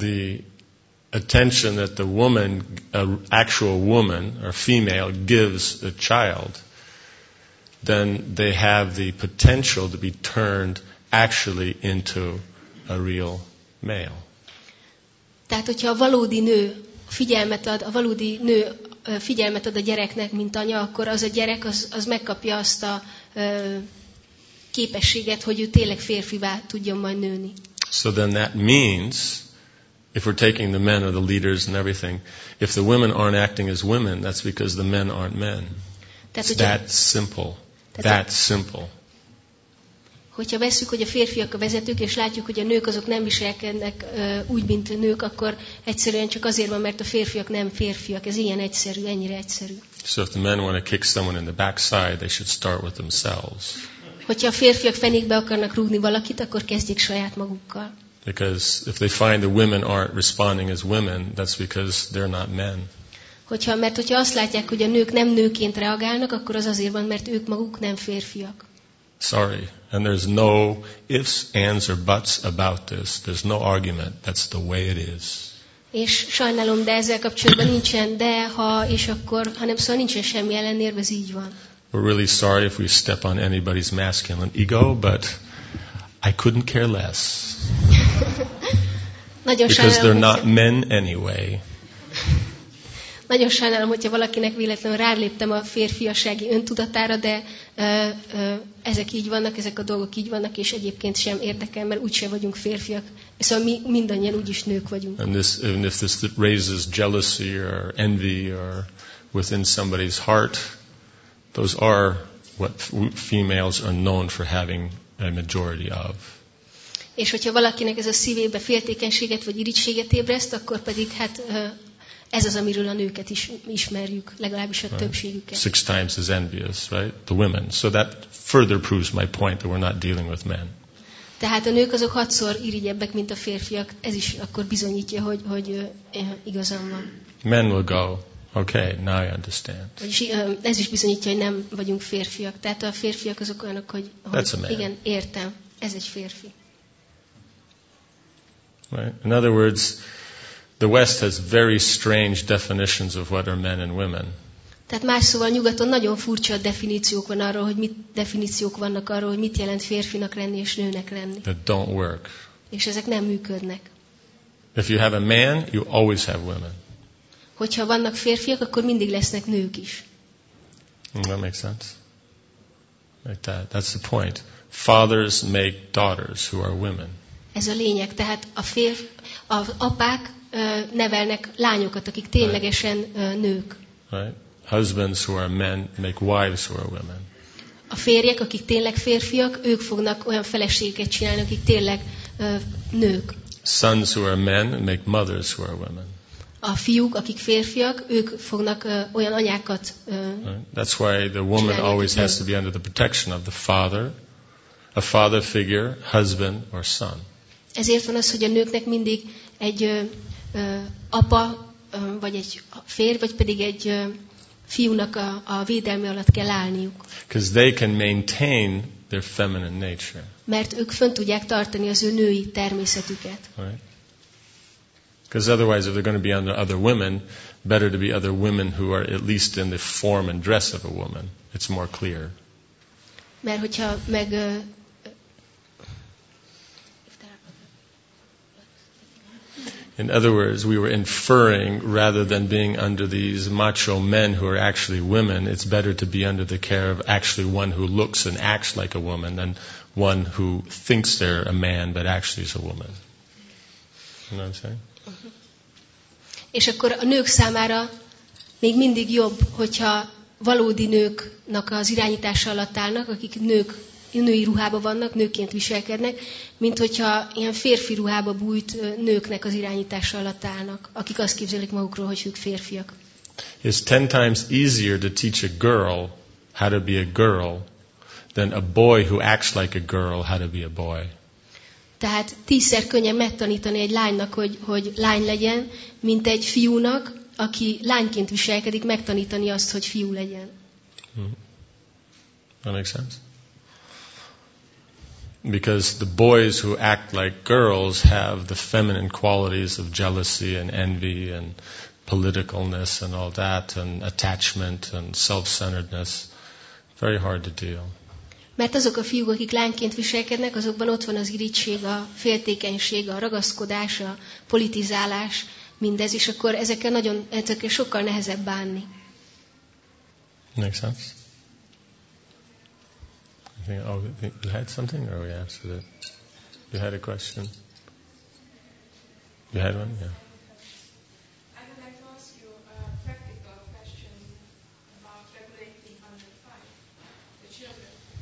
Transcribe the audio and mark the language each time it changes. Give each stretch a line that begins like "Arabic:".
English: The attention that the woman, an actual woman or female, gives a child, then they have the potential to be turned actually into a real male.
Hungarian: Tehát, hogyha a valódi nő figyelmet ad, a valódi nő figyelmet ad a gyereknek, mint anya, akkor az a gyerek az megkapja azt a képességet, hogy ő tényleg férfivá tudjon majd nőni.
English: So then that means, if we're taking the men or the leaders and everything, if the women aren't acting as women, that's because the men aren't men. That simple.
Hungarian: Hogyha veszük, hogy a férfiak a vezetők, és látjuk, hogy a nők azok nem viselkednek úgy, mint nők, akkor egyszerűen csak azért van, mert a férfiak nem férfiak. Ez ilyen egyszerű, ennyire egyszerű.
English: So if the men want to kick someone in the backside, they should start with themselves.
Hungarian: Hogyha a férfiak fenékbe akarnak rúgni valakit, akkor kezdjék saját magukkal.
English: Because if they find the women aren't responding as women, that's because they're not men.
Hungarian: Mert hogyha azt látják, hogy a nők nem nőként reagálnak, akkor az azért van, mert ők maguk nem férfiak.
English: Sorry, and there's no ifs, ands, or buts about this. There's no argument. That's the way it is.
Hungarian: És sajnálom, de ezzel kapcsolatban nincsen de, ha, és akkor, hanem szóval nincsen semmi ellenérve, ez így van.
English: We're really sorry if we step on anybody's masculine ego, but I couldn't care less.
Hungarian: Nagyon sajnálom,
English: because they're not men anyway.
Hungarian: Nagyon sajnálom, hogyha valakinek véletlenül ráléptem a férfiasági öntudatára, de ezek így vannak, ezek a dolgok így vannak, és egyébként sem érdekel, mert úgyse vagyunk férfiak. Szóval mi mindannyian úgyis nők vagyunk.
English: And this, even if this raises jealousy or envy or within somebody's heart, those are what females are known for having a majority of.
Hungarian: És hogyha valakinek ez a szívébe féltékenységet vagy irigységet ébreszt, akkor pedig hát ez az, amiről a nőket is ismerjük, legalábbis a
English: right.
Hungarian: többségüket.
English: Six times as envious, right? The women. So that further proves my point that we're not dealing with men.
Hungarian: Tehát a nők azok hatszor irigyebbek, mint a férfiak. Ez is akkor bizonyítja, hogy, hogy igazam van.
English: Men will go. Okay, now I understand.
Hungarian: Ez is bizonyítja, hogy nem vagyunk férfiak. Tehát a férfiak azok olyanok, hogy, hogy igen, értem. Ez egy férfi.
English: Right. In other words, the West has very strange definitions of what are men and women.
Hungarian: Tehát más szóval nyugaton nagyon furcsa definíciók van arról, hogy mit definíciók vannak arról, hogy mit jelent férfinak lenni és nőnek lenni.
English: That don't work.
Hungarian: És ezek nem működnek.
English: If you have a man, you always have women.
Hungarian: Hogyha vannak férfiak, akkor mindig lesznek nők is.
English: That makes sense. Like that. That's the point. Fathers make daughters who are women.
Hungarian: Ez a lényeg. Tehát a az apák nevelnek lányokat, akik ténylegesen nők.
English: Right. Husbands who are men make wives who are women.
Hungarian: A férjek, akik tényleg férfiak, ők fognak olyan feleségeket csinálni, akik tényleg nők.
English: Sons who are men make mothers who are women.
Hungarian: A fiúk, akik férfiak, ők fognak olyan anyákat.
English: That's why the woman always has to be under the protection of the father, a father figure, husband or son.
Hungarian: Ezért van az, hogy a nőknek mindig egy apa, vagy egy férj, vagy pedig egy fiúnak a védelme alatt kell állniuk.
English: Because they can maintain their feminine nature.
Hungarian: Mert ők fönn tudják tartani az ő női természetüket.
English: Because right. otherwise, if they're going to be under other women, better to be other women who are at least in the form and dress of a woman. It's more clear.
Hungarian: Mert hogyha meg...
English: In other words, we were inferring rather than being under these macho men who are actually women, it's better to be under the care of actually one who looks and acts like a woman than one who thinks they're a man but actually is a woman. You know what I'm saying?
Hungarian: És akkor a nők számára még mindig jobb, hogyha valódi nőknek az irányítása alatt állnak, akik nők. Női ruhába vannak, nőként viselkednek, mint hogyha ilyen férfi ruhába bújt nőknek az irányítása alatt állnak, akik azt képzelik magukról, hogy ők férfiak.
English: It's 10 times easier to teach a girl how to be a girl than a boy who acts like a girl how to be a boy.
Hungarian: Tehát 10-szer könnyebb megtanítani egy lánynak, hogy lány legyen, mint egy fiúnak, aki lányként viselkedik, megtanítani azt, hogy fiú legyen.
English: That makes sense. Because the boys who act like girls have the feminine qualities of jealousy and envy and politicalness and all that and attachment and self-centeredness, very hard to deal.
Hungarian: Mert azok a fiúk, akik lányként viselkednek, azokban ott van az irigység, a féltékenység, a ragaszkodás, a politizálás, mindez, és akkor ezekkel nagyon, ezekkel sokkal nehezebb bánni.
English: Makes sense? Oh, you had something, or we answered it? You had a question? You had one? Yeah. I would like to ask you a practical question about regulating under five, the children.